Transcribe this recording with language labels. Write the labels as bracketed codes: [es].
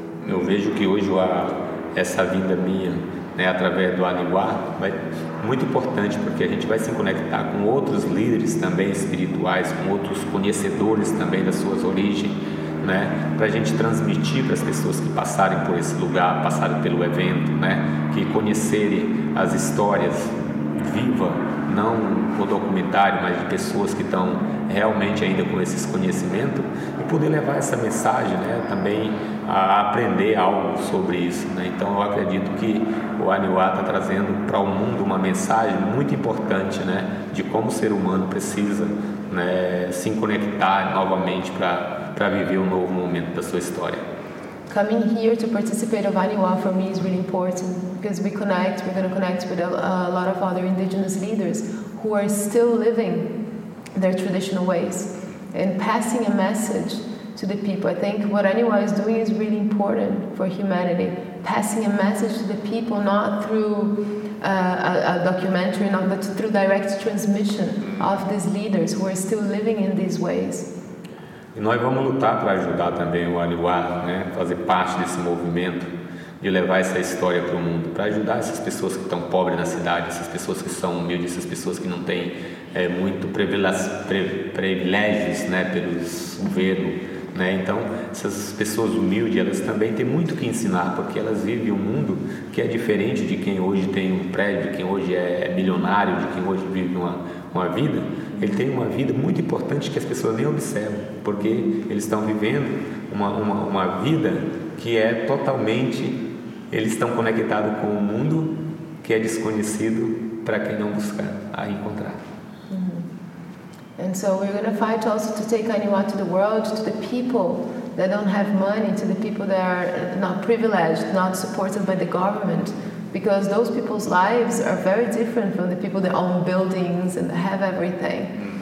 [pt] Eu vejo que hoje essa vinda minha, né, através do Aniwa, vai muito importante, porque a gente vai se conectar com outros líderes também espirituais, com outros conhecedores também das suas origens, né, para a gente transmitir para as pessoas que passarem por esse lugar, passarem pelo evento, né, que conhecerem as histórias vivas, não o documentário, mas de pessoas que estão realmente ainda com esses conhecimentos e poder levar essa mensagem, né, também a aprender algo sobre isso, né? Então eu acredito que o Aniwa está trazendo para o mundo uma mensagem muito importante, né, de como o ser humano precisa, né, se conectar novamente para viver um novo momento da sua história. [en] Coming here to participate of Aniwa for me is really important because we're going to connect with a lot of other indigenous leaders who are still living their traditional ways and passing a message to the people. I think what Aniwa is doing is really important for humanity, passing a message to the people, not through a documentary, not but through direct transmission of these leaders who are still living in these ways. [pt] E nós vamos lutar para ajudar também o Aniwa, né, fazer parte desse movimento de levar essa história para o mundo, para ajudar essas pessoas que estão pobres na cidade, essas pessoas que são humildes, essas pessoas que não têm muito privilégios, né, pelos governos, né. Então, essas pessoas humildes, elas também têm muito que ensinar, porque elas vivem um mundo que é diferente de quem hoje tem um prédio, de quem hoje é milionário, de quem hoje vive uma vida. Ele tem uma vida muito importante que as pessoas nem observam, porque eles estão vivendo uma vida que é totalmente, eles estão conectados com um mundo que é desconhecido para quem não buscar a encontrar. [en] And so we're going to fight also to take Aniwa to the world, to the people that don't have money, to the people that are not privileged, not supported by the government, because those people's lives are very different from the people that own buildings and have everything.